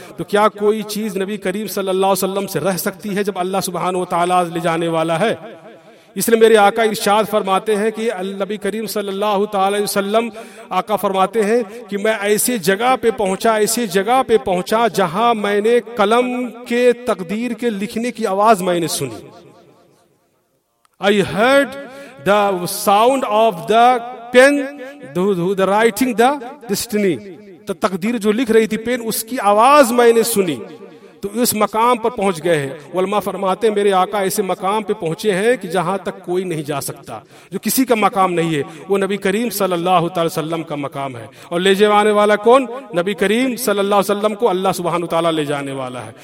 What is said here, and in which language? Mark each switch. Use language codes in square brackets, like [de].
[ur] تو کیا کوئی چیز نبی کریم صلی اللہ علیہ وسلم سے رہ سکتی ہے جب اللہ سبحان و تعالیٰ لے جانے والا ہے؟ اس لیے میرے آقا ارشاد فرماتے ہیں کہ نبی کریم صلی اللہ تعالی وسلم, آقا فرماتے ہیں کہ میں ایسی جگہ پہ پہنچا, ایسی جگہ پہ پہنچا جہاں میں نے قلم کے تقدیر کے لکھنے کی آواز میں نے سنی. [en] I heard the sound of the pen the writing the destiny, [ur] تو تقدیر جو لکھ رہی تھی پین, اس کی آواز میں نے سنی. تو اس مقام پر پہنچ گئے ہیں. علماء فرماتے ہیں میرے آقا ایسے مقام پہ پہنچے ہیں کہ جہاں تک کوئی نہیں جا سکتا, جو کسی کا مقام نہیں ہے وہ نبی کریم صلی اللہ تعالی وسلم کا مقام ہے. اور لے جانے والا کون؟ نبی کریم صلی اللہ علیہ وسلم کو اللہ سبحان و تعالیٰ لے جانے والا ہے.